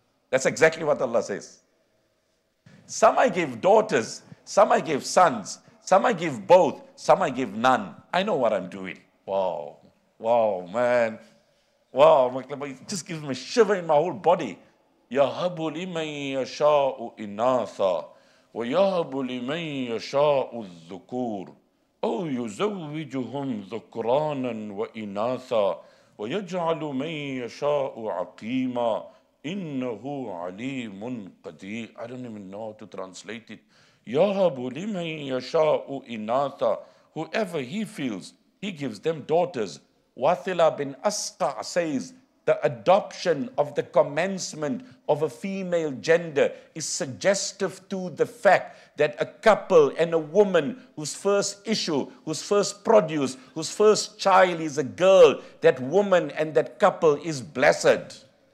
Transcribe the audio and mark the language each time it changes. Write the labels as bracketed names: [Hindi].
[English] That's exactly what Allah says. Some I give daughters, some I give sons, some I give both, some I give none. I know what I'm doing. Wow. Wow, man. Wow. It just gives me a shiver in my whole body. [Arabic] يَهَبُ لِمَنْ يَشَاءُ إِنَاثًا وَيَهَبُ لِمَنْ يَشَاءُ الذُّكُورُ أَوْ يُزَوِّجُهُمْ ذُكْرَانًا وَإِنَاثًا وَيَجْعَلُ مَنْ يَشَاءُ عَقِيمًا إِنَّهُ عَلِيمٌ قَدِيرٌ. [English] I don't even know how to translate it. [Arabic] يَهَبُ لِمَنْ يَشَاءُ إِنَاثًا. [English] Whoever he feels, he gives them daughters. Wathila bin Asqa' says, the adoption of the commencement of a female gender is suggestive to the fact that a couple and a woman whose first issue, whose first produce, whose first child is a girl, that woman and that couple is blessed.